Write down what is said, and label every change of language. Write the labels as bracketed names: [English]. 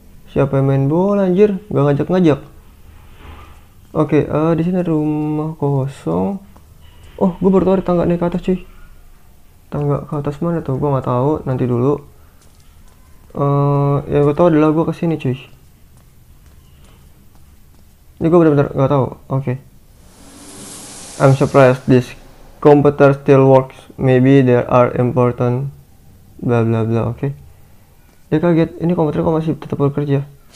[Indonesian] Siapa yang main bola, anjir? Gak ngajak-ngajak. Oke, di sini rumah kosong. Oh, gue baru tahu ada tangga naik ke atas, cuy. tangga ke atas mana tuh, gue nggak tahu, nanti dulu. Yang gue tahu adalah gue ke sini cuy, ini gue benar-benar nggak tahu. Oke, okay. [English] I'm surprised this computer still works, maybe there are important bla bla bla. [Indonesian] Oke, okay. Dia kaget, ini komputer kok masih tetap bekerja.